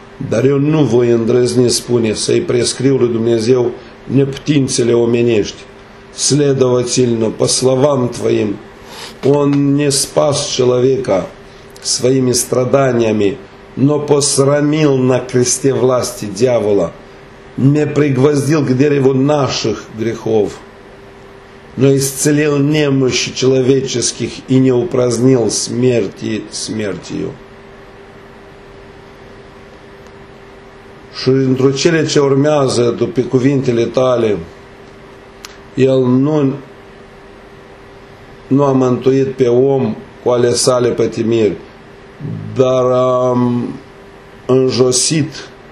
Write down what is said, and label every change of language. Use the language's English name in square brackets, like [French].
[Romanian] Dar eu nu voi îndrăzni, spune, să-i prescriu lui Dumnezeu neputințele omenești. [Russian] Следовательно, по словам твоим, он не спас человека своими страданиями, но посрамил на кресте власти дьявола, не пригвоздил к дереву наших грехов, но исцелил немощи человеческих и не упразднил смерти смертью. [Romanian] Și într-o cele ce urmează după cuvintele tale, El nu a mântuit pe om cu ale sale pătimiri, dar a înjosit